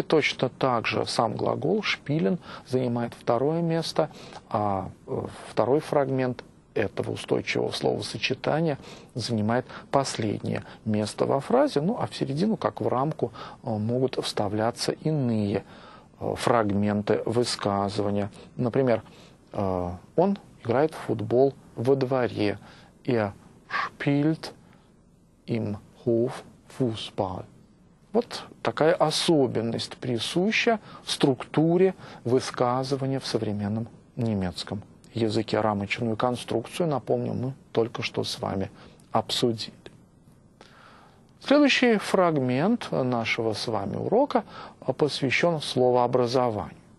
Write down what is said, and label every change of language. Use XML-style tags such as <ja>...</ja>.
<ru>Точно так же сам глагол «шпилен» занимает второе место, а второй фрагмент этого устойчивого словосочетания занимает последнее место во фразе. Ну, а в середину, как в рамку, могут вставляться иные фрагменты, высказывания. Например, он играет в футбол во дворе.</ru> <de>Er spielt im Hof Fußball.</de> <ru>Вот такая особенность присуща структуре высказывания в современном немецком языке. Рамочную конструкцию, напомню, мы только что с вами обсудили. Следующий фрагмент нашего с вами урока посвящен словообразованию.</ru>